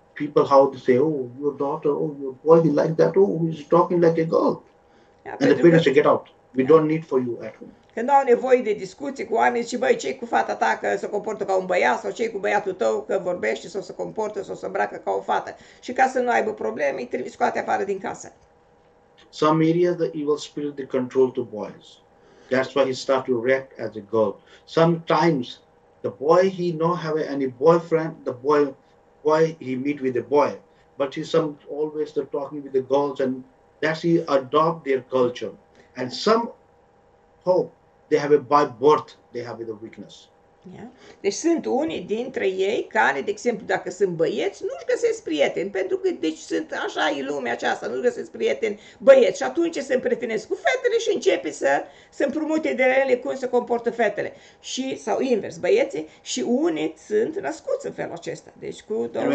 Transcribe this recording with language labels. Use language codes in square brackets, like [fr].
[en] People how to say, oh, your daughter, oh, your boy, he like that, oh, he's talking like a girl. Yeah, and the parents say, get out. We don't need for you at home. [ro] Când au nevoie de discuții cu oameni, zice, băi, ce-i cu fata ta că se comportă ca un băiat sau ce-i cu băiatul tău că vorbește sau se comportă sau se îmbracă ca o fată. Și ca să nu aibă probleme, îi trebuie scoate afară din casă. [en] Some areas the evil spirit they control the boys. That's why he start to react as a girl. Sometimes the boy he not have any boyfriend. The boy he meet with a boy, but he some always they're talking with the girls and that he adopt their culture. And some hope they have a by birth they have the weakness. Yeah. [ro] Deci sunt unii dintre ei care, de exemplu, dacă sunt băieți, nu-și găsesc prieteni, pentru că deci sunt așa e lumea aceasta, nu-și găsesc prieteni băieți. Și atunci se împrietenesc cu fetele și începe să se împrumute de ele cum se comportă fetele. Și, sau invers, băieții, și unii sunt născuți în felul acesta, deci cu două